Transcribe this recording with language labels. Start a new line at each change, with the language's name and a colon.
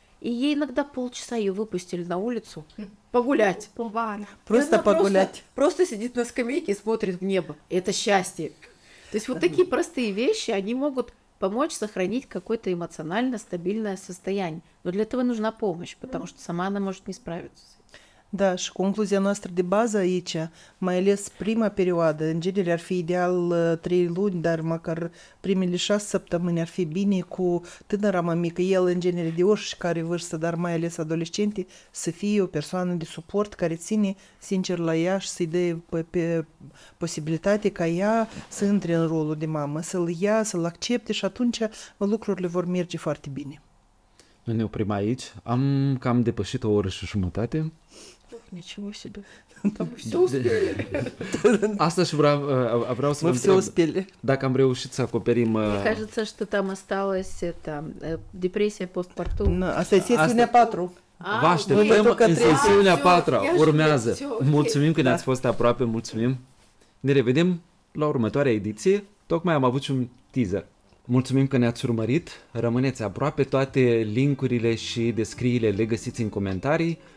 Russian: И ей иногда полчаса ее выпустили на улицу погулять. Просто погулять. Просто сидит на скамейке и смотрит в небо. И это счастье. То есть вот такие простые вещи, они могут... помочь сохранить какое-то эмоционально стабильное состояние. Но для этого нужна помощь, потому что сама она может не справиться.
Romanian: Da, și concluzia noastră de bază aici, mai ales prima perioadă, în general ar fi ideal 3 luni, dar măcar primele 6 săptămâni ar fi bine cu tânăra mămică, el în general de oricare vârstă, dar mai ales adolescente, să fie o persoană de suport care ține sincer la ea și să-i dea pe posibilitate ca ea să intre în rolul de mamă, să-l ia, să-l accepte și atunci lucrurile vor merge foarte bine. Nu ne oprim aici. Am cam depășit o oră și jumătate. Asta și vreau să vă întreb. Dacă am reușit să acoperim...
Russian: Кажется, что там осталось это депрессия постпартум.
Romanian: Asta e sesiunea 4. Vă așteptăm în sesiunea 4. Urmează. Mulțumim că ne-ați fost aproape. Mulțumim. Ne revedem la următoarea ediție. Tocmai am avut și un teaser. Mulțumim că ne-ați urmărit. Rămâneți aproape. Toate link-urile și descrierile le găsiți în comentarii.